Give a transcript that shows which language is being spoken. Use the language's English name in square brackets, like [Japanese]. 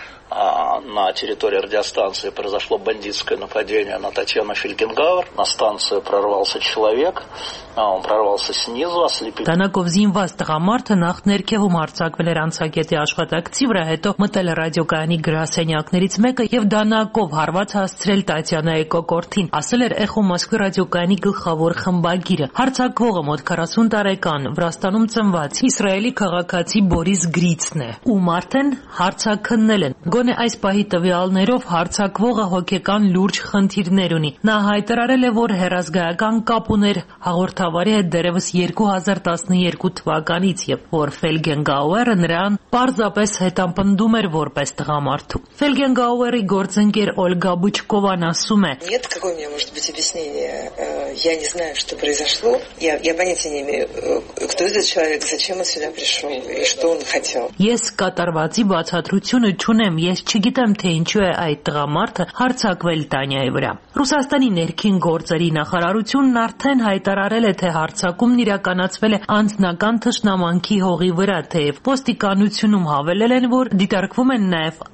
[Russian] А на территории радиостанции произошло бандитское нападение на Татьяну Фельгенгауэр. На станцию прорвался человек, он прорвался снизу, ослепил. [Armenian] Տանակով զինված տղամարդը նախ ներքևում արձակվել էր անցագետի աշխատակցի վրա, հետո մտել ռադիոկայանի գրասենյակներից մեկը և դանակով հարված հասցրել Տատյանայի կոկորդին, ասել էր Էխո Մոսկվի ռադիոկայանի գլխավոր խմբագիրը։ Հարձակվողը մոտ 40 տարեկան, Վրաստանում ծնված իսրայելի քաղաքացի Բորիս Գրիցն է, ում արդեն հարցաքննել են։ Գոնե այս պահի տվյալներով հարցակվողը հոգեկան լուրջ խնդիրներ ունի։ Նա հայտարարել է, որ հերազգայական կապ ուներ հաղորդավարի հետ դեռևս 2012 թվականից, և որ Ֆելգենգաուերը նրան պարզապես հետապնդում էր որպես տղամարդու։ Ֆելգենգաուերի գործընկեր Օլգա Բուչկովան ասում է. [Russian] Нет, какое мне может быть объяснение? Я не знаю, что произошло. Я понятия не имею, кто этот человек, зачем он сюда пришёл и что он хотел. [Armenian] Ես կատարվածի բացատրությունը ունեմ, ես չգիտեմ, թե ինչու է այդ տղամարդը հարցակվել Տանյայի վրա։ Ռուսաստանի ներքին գործերի նախարարությունն արդեն հայտարարել է, թե հարցակումն իրականացվել է անձնական թշնամանքի հողի վրա, թեև ոստիկանությունում հավելել են, որ դիտարկվում են նաև